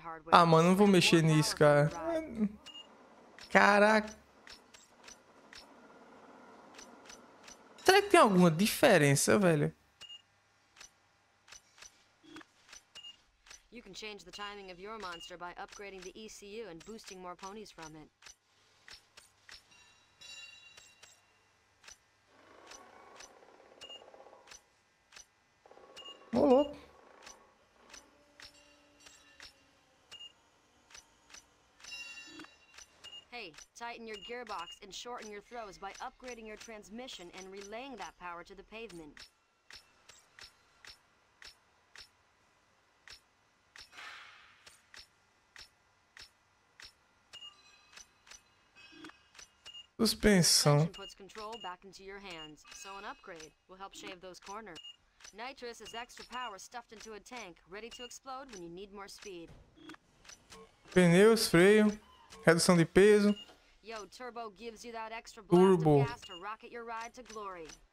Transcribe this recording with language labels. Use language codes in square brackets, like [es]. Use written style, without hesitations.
[pt] Ah, mano, não vou mexer nisso, cara. Caraca. Será que tem alguma diferença, velho? [en] You can change the timing of your monster by upgrading the ECU and boosting more ponies from it. [pt] Olá. [en] Hey, tighten your gearbox and shorten your throws by upgrading your transmission and relaying that power to the pavement. [pt] Suspensão. [en] Puts control back into your hands, so an upgrade will help shave those corners. Nitrous is extra power stuffed into a tank, ready to explode when you need more speed. [pt] Pneus, freio, redução de peso. [en] Yo, turbo gives you that extra blast of gas to rocket your ride to glory.